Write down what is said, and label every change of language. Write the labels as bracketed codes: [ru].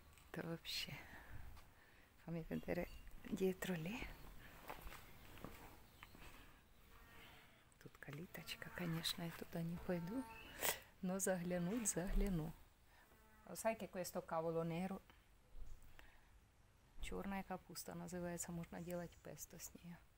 [ru] Это вообще. [it] Fammi vedere dietro lì. [ru] Тут калиточка, конечно, я туда не пойду, но загляну. [it] Sai che questo cavolo nero? [ru] Чёрная капуста называется, можно делать песто с неё.